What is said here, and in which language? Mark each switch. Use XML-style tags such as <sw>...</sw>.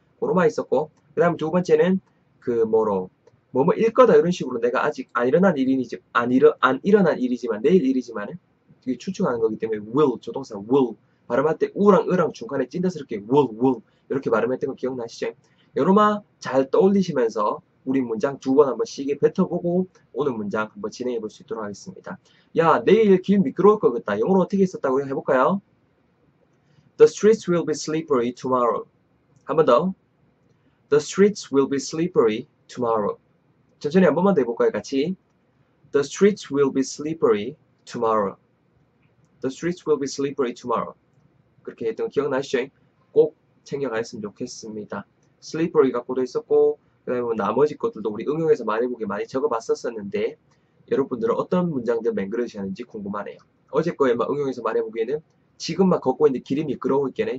<ko>고로마 있었고, 그 다음 두 번째는 그 뭐로, 뭐뭐 일 거다 이런 식으로 내가 아직 안 일어난 일이니, 안 일어난 일이지만 내일 일이지만은 이게 추측하는 거기 때문에 will, 조동사 will, 발음할 때 우랑 으랑 중간에 찐득스럽게 will, 이렇게 발음했던 거 기억나시죠? 요놈아 잘 떠올리시면서 우리 문장 두번 한번 시계 뱉어보고 오늘 문장 한번 진행해 볼수 있도록 하겠습니다. 야, 내일 길 미끄러울 것 같다. 영어로 어떻게 썼다고 해볼까요?</ko> <en>The streets will be slippery tomorrow.</en> <ko>한번 더.</ko> <en>The streets will be slippery tomorrow.</en> <ko>천천히 한 번만 더 해볼까요? 같이.</ko> <en>The streets will be slippery tomorrow. The streets will be slippery tomorrow.</en> <ko>그렇게 했던 거 기억나시죠? 꼭 챙겨가셨으면 좋겠습니다. slippery 갖고도 있었고, 그다음에 뭐 나머지 것들도 우리 응용해서 많이 보게 많이 적어봤었었는데 여러분들은 어떤 문장들 맹그러지하는지 궁금하네요. 어제 거에 막 응용해서 말해보기에는 지금 막 걷고 있는데 길이 미끄러워 있겠네.</ko>